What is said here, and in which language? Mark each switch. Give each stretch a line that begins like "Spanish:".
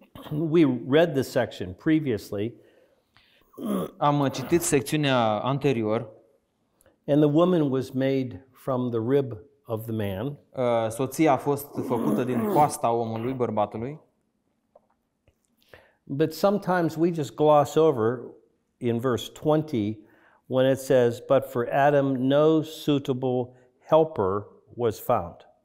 English: We read the section previously.
Romanian: Am citit secțiunea anterior.
English: And the woman was made from the rib of the man.
Romanian: Soția a fost făcută din coasta omului, bărbatului.
English: But sometimes we just gloss over in verse 20 when it says, but for Adam no suitable helper was found.